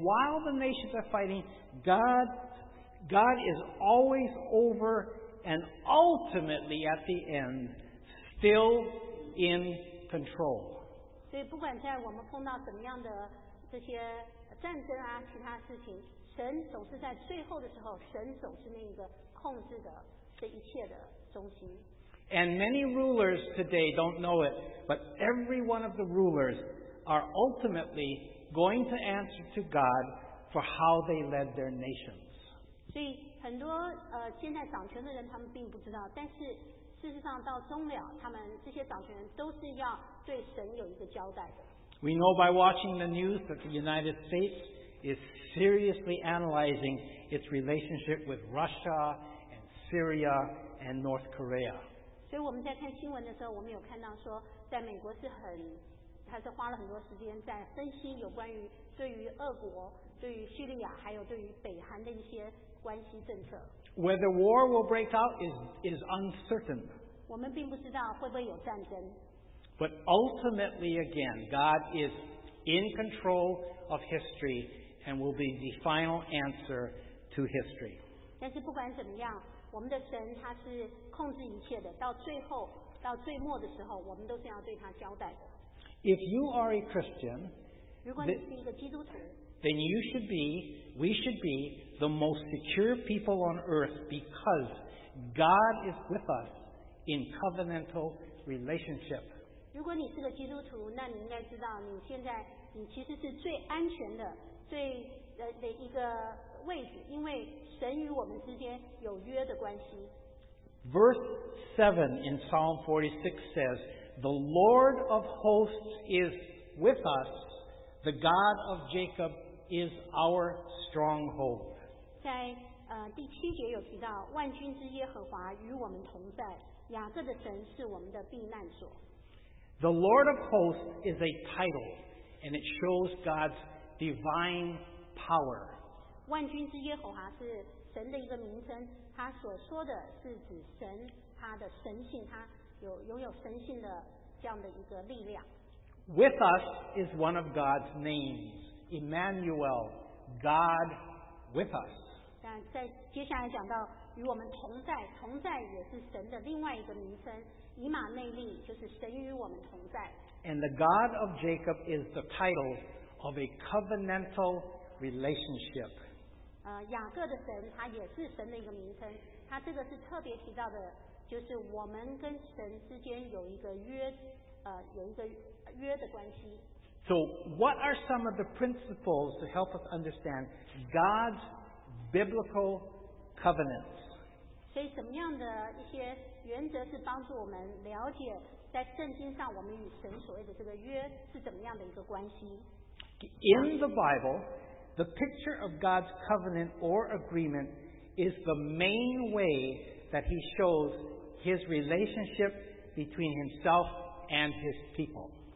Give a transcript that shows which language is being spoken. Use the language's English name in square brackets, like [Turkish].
[English] while the nations are fighting, God is always over and ultimately at the end, still in control. [Chinese] 所以不管在我们碰到怎么样的这些战争啊，其他事情，神总是在最后的时候，神总是那个控制的这一切的中心。 [English] And many rulers today don't know it, but every one of the rulers are ultimately going to answer to God for how they led their nations. [Chinese] 所以很多现在掌权的人他们并不知道，但是事实上到终了，他们这些掌权人都是要对神有一个交代的。 [English] We know by watching the news that the United States is seriously analyzing its relationship with Russia and Syria and North Korea. [Chinese] 所以我们在看新闻的时候，我们有看到说，在美国是很，他是花了很多时间在分析有关于对于俄国、对于叙利亚还有对于北韩的一些关系政策。 [English] Whether war will break out is uncertain. [Chinese] 我们并不知道会不会有战争。 [English] But ultimately, again, God is in control of history and will be the final answer to history. [Chinese] 但是不管怎么样，我们的神他是控制一切的。到最后，到最末的时候，我们都是要对他交代的。 [English] If you are a Christian, [Chinese] 如果你是一个基督徒， [English] then you should be, we should be the most secure people on earth because God is with us in covenantal relationship. [Chinese] 如果你是个基督徒，那你应该知道，你现在你其实是最安全的、最的一个位置，因为神与我们之间有约的关系。 [English] Verse 7 in Psalm 46 says, "The Lord of hosts is with us; the God of Jacob is our stronghold." [Chinese] 在第七节有提到，万军之耶和华与我们同在，雅各的神是我们的避难所。 [English] The Lord of hosts is a title, and it shows God's divine power. [Chinese] 万军之耶和华是神的一个名称，他所说的是指神，他的神性，他有拥有神性的这样的一个力量。 [English] With us is one of God's names, Emmanuel, God with us. [Chinese] 但在接下来讲到与我们同在，同在也是神的另外一个名称。以马内利就是神与我们同在。 [English] And the God of Jacob is the title of a covenantal relationship. [Chinese] 雅各的神他也是神的一个名称，他这个是特别提到的，就是我们跟神之间有一个约，有一个约的关系。 [English] So what are some of the principles to help us understand God's biblical covenants? [Chinese] 所以什么样的一些原则是帮助我们了解在圣经上我们与神所谓的这个约是怎么样的一个关系？ [English] In the Bible, the picture of God's covenant or agreement is the main way that he shows his relationship between himself and his people.